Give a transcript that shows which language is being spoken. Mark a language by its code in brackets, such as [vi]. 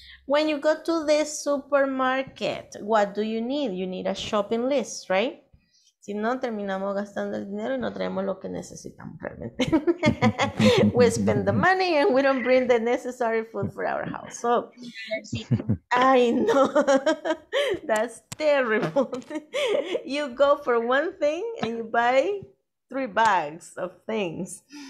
[en] When you go to the supermarket, what do you need? You need a shopping list, right? [es] Si no, terminamos gastando el dinero y no traemos lo que necesitamos realmente. [en] We spend the money and we don't bring the necessary food for our house. So, I know. That's terrible. You go for one thing and you buy 3 bags of things.